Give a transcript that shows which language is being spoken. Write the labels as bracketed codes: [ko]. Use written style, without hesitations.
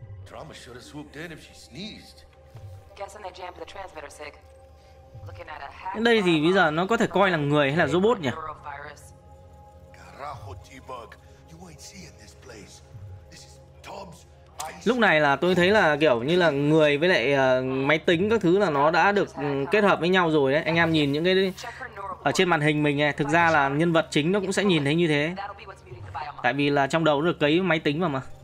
[en] Trauma should have swooped in if she sneezed. Guessing they jammed the transmitter, Sig. Looking at a hack. [vi] Đây thì bây giờ nó có thể coi là người hay là robot nhỉ? [en] Garaho T-Bug, you ain't seeing this place. This is Tom's. [vi] Lúc này là tôi thấy là kiểu như là người với lại máy tính các thứ là nó đã được kết hợp với nhau rồi đấy. Anh em nhìn những cái ở trên màn hình mình này, thực ra là nhân vật chính nó cũng sẽ nhìn thấy như thế. Tại vì là trong đầu nó được cấy máy tính vào mà.